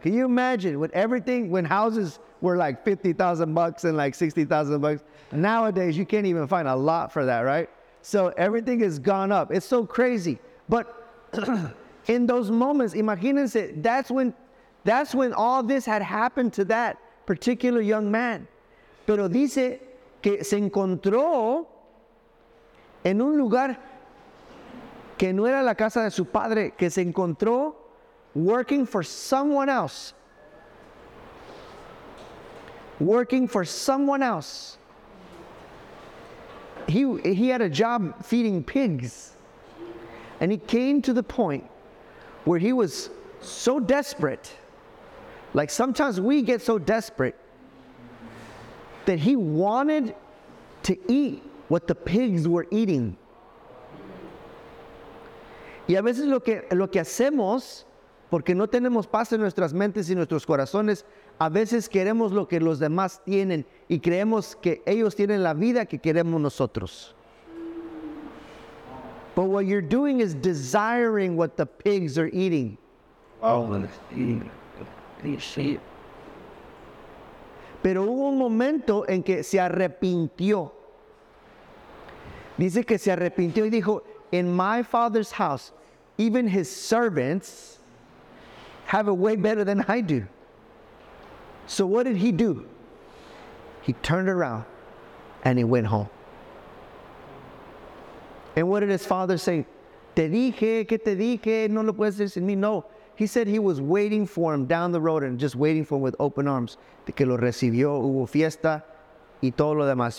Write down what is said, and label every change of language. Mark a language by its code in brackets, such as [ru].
[en] Can you imagine when houses were like $50,000 and like $60,000? Nowadays, you can't even find a lot for that, right? So everything has gone up. It's so crazy. But in those moments, [es] imagínense, [en] that's when all this had happened to that particular young man. [es] Pero dice que se encontró en un lugar que no era la casa de su padre, que se encontró [en] working for someone else. Working for someone else. He had a job feeding pigs. And he came to the point where he was so desperate, like sometimes we get so desperate, that he wanted to eat what the pigs were eating. [es] Y a veces lo que hacemos, porque no tenemos paz en nuestras mentes y nuestros corazones, a veces queremos lo que los demás tienen y creemos que ellos tienen la vida que queremos nosotros. [en] But what you're doing is desiring what the pigs are eating. [es] Pero hubo un momento en que se arrepintió. Dice que se arrepintió y dijo, [en] in my father's house, even his servants have it way better than I do. So what did he do? He turned around and he went home. And what did his father say? [es] Te dije, que te dije, no lo puedes decir sin mí. [en] No, he said he was waiting for him down the road and just waiting for him with open arms. [es] De que lo recibió, hubo fiesta y todo lo demás.